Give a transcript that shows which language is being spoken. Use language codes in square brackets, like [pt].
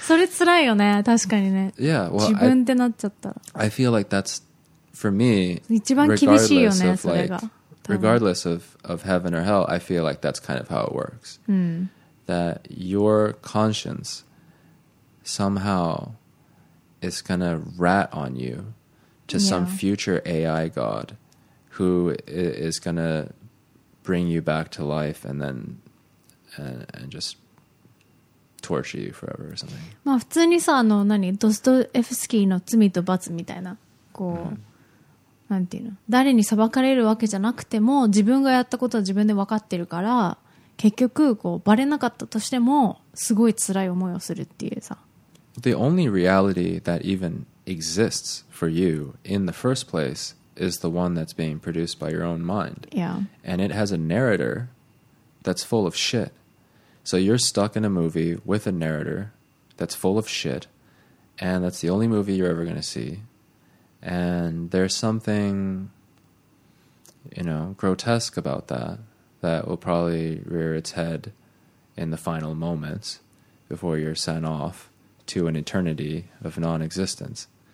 [ja] それ辛いよね、確かにね。 [en] Yeah, well, [ja] 自分ってなっちゃったら。 [en] I feel like that's, for me, [ja] 一番厳しいよね、それが。 [en] Regardless of heaven or hell, I feel like that's kind of how it works. That your conscience somehow is going to rat on you to some future AI god who is going to bring you back to life and then and just torture you forever or something. [ja] まあ普通にさ、あの何、ドストエフスキーの罪と罰みたいな、こう。なんていうの、誰に裁かれるわけじゃなくても自分がやったことは自分で分かってるから、結局こうバレなかったとしてもすごい辛い思いをするっていうさ。 [en] The only reality that even exists for you in the first place is the one that's being produced by your own mind. Yeah. And it has a narrator that's full of shit. So you're stuck in a movie with a narrator that's full of shit, and that's the only movie you're ever going to seeAnd there's something, you know, grotesque about that, that will probably rear its head in the final moments before you're sent off to an eternity of non-existence.